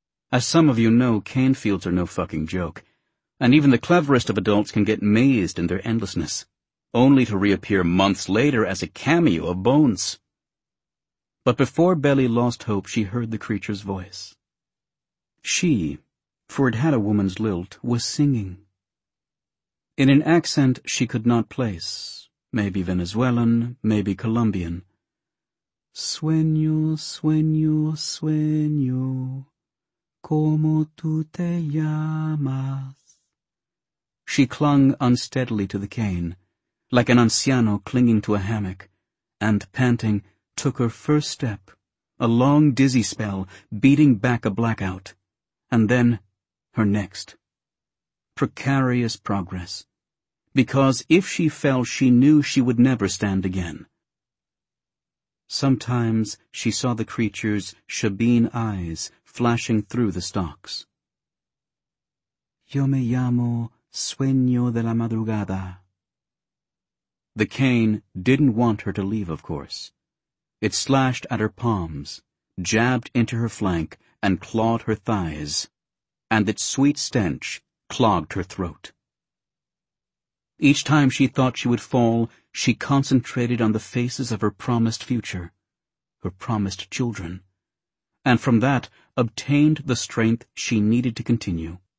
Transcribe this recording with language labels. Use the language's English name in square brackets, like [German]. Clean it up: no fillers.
[English] As some of you know, cane fields are no fucking joke, and even the cleverest of adults can get mazed in their endlessness, only to reappear months later as a cameo of bones. But before Belly lost hope, she heard the creature's voice. She, for it had a woman's lilt, was singing. in an accent she could not place, maybe Venezuelan, maybe Colombian. [Spanish] Sueño, sueño, sueño, ¿cómo tú te llamas? [English] She clung unsteadily to the cane, like an anciano clinging to a hammock, and, panting, took her first step, a long dizzy spell, beating back a blackout, and then her next. Precarious progress. Because if she fell, she knew she would never stand again. Sometimes she saw the creature's shebeen eyes flashing through the stalks. [Spanish] Yo me llamo Sueño de la Madrugada. [English] The cane didn't want her to leave, of course. It slashed at her palms, jabbed into her flank, and clawed her thighs, and its sweet stench clogged her throat. Each time she thought she would fall, she concentrated on the faces of her promised future, her promised children, and from that obtained the strength she needed to continue.